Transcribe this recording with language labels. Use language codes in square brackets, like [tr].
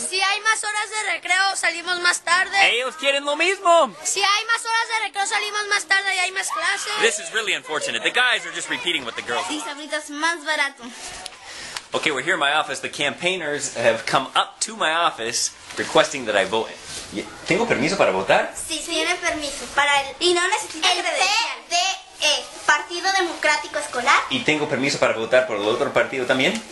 [es] Si hay más horas de recreo, salimos más tarde. Ellos quieren lo mismo. Si hay más horas de recreo, salimos más tarde y hay más clases. [en] This is really unfortunate. The guys are just repeating what the girls [es] want. Sí, sabritas más barato. [en] Okay, we're here in my office. The campaigners have come up to my office requesting that I vote. [es] ¿Tengo permiso para votar? Sí, tiene permiso. Para el... Y no necesita credencial. Partido Democrático Escolar. ¿Y tengo permiso para votar por el otro partido también?